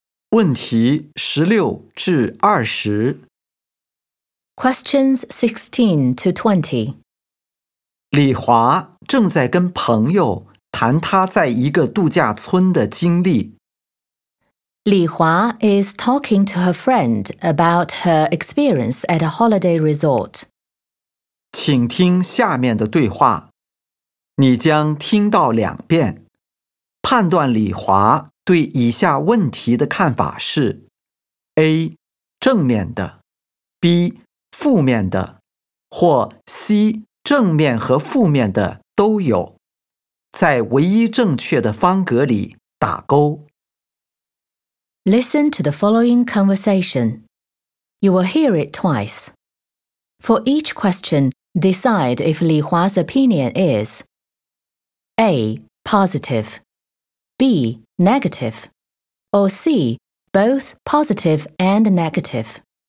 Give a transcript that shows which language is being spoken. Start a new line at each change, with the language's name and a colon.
Chinese: 问题16-20。
English: Questions 16-20。
Chinese: 李华正在跟朋友谈他在一个度假村的经历。
English: 李华 is talking to her friend about her experience at a holiday resort.
Chinese: 请听下面的对话，你将听到两遍，判断李华对以下问题的看法是 A. 正面的 B. 负面的或 C. 正面和负面的都有，在唯一正确的方格里打勾。
English: Listen to the following conversation. You will hear it twice. For each question, decide if Li Hua's opinion is A. positive, B. Negative, or C, both positive and negative.